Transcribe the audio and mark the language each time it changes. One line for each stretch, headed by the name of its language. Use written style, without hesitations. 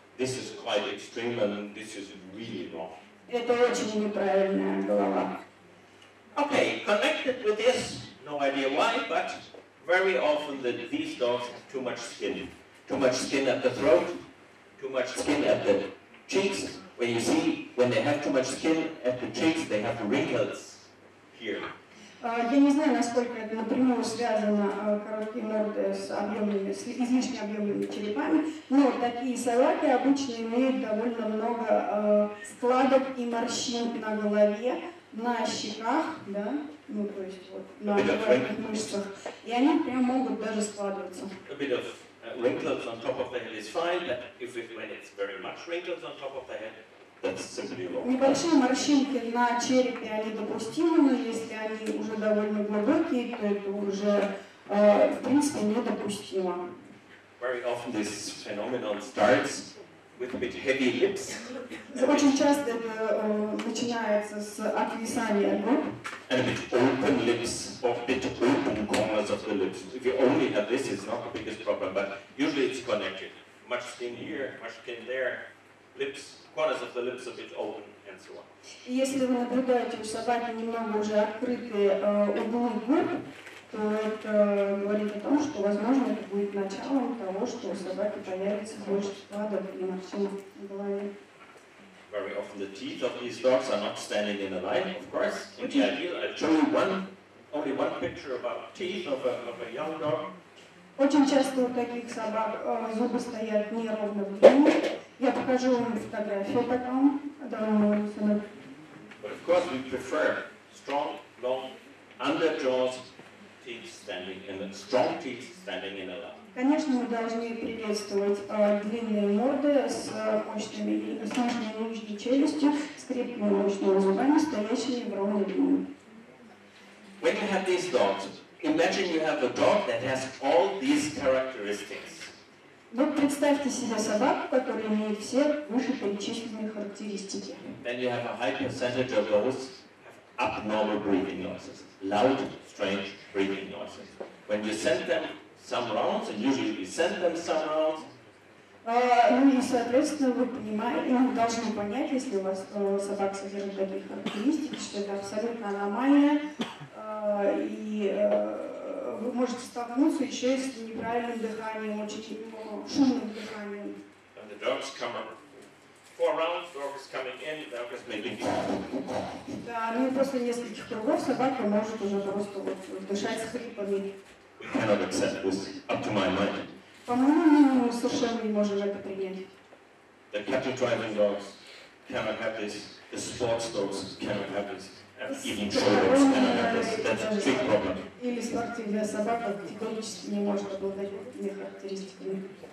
English: This is quite extreme and this is really wrong.
Russian: Это очень неправильная голова.
English: Okay, connected with this, no idea why, but very often that these dogs have too much skin. Too much skin at the throat, too much skin at the cheeks. When you see, when they have too much skin at the cheeks, they have wrinkles here.
Russian: Я не знаю, насколько это напрямую связано короткие морды с объемными, с излишне объемными черепами, но такие собаки обычно имеют довольно много складок и морщин на голове, на щеках, да, ну то есть вот на жевательных мышцах, и они прям могут даже складываться.
English: Wrinkles on top of the head is fine, but when it's very much wrinkles on top of the head, that's simply wrong.
Russian: Небольшие морщинки на черепе они допустимы, но если они уже довольно глубокие, то это уже в принципе недопустимо.
English: Very often this phenomenon starts with a bit heavy lips.
Russian: Очень часто это начинается с отвисания губ.
English: And a bit open lips, or a bit open corners of the lips. If you only have this, it's not the biggest problem, but usually it's connected. Much skin here, much skin there, lips, corners of the lips a bit open, and so on.
Russian: Если вы наблюдаете у собаки немного уже открытые углы губ, то это говорит о том, что, возможно, это будет началом того, что у собаки появится больше складок и морщин в голове.
English: Very often the teeth of these dogs are not standing in a line, of course. In the ideal, I'd show you only one picture about teeth of a young dog.
Russian: Очень часто у таких собак зубы стоят неровно в линии. Я покажу вам фотографию потом.
English: But of course we prefer strong, long, under jaws, teeth standing in a strong teeth standing in a line.
Russian: Конечно, мы должны приветствовать длинные морды с мощными нижней челюстью, с крепкими мощными зубами, стоящими в ровной линии.
English: When you have these dogs, imagine you have a dog that has all these characteristics.
Russian: Вот представьте себе собаку, которая имеет все вышеперечисленные характеристики.
English: Then you have a high percentage of those have abnormal breathing noises, loud, strange breathing noises. When you send them some rounds, and usually we send them some rounds.
Russian: Ну и соответственно вы понимаете, вы должны понять, если у вас собак содержит такие характеристики, что это абсолютно аномальная, и вы можете столкнуться еще и с неправильным дыханием, очень шумным дыханием.
English: And the dogs come up. Four rounds, dog is coming in, dog is making it.
Russian: Да, ну и после нескольких кругов собака может уже просто вот дышать с хрипами.
English: We cannot accept this up to my mind.
Russian: По-моему, мы совершенно не можем это принять.
English: The cattle driving dogs cannot have this. The sports dogs cannot have this.
Russian: Или спортивная собака категорически не может обладать этими характеристиками.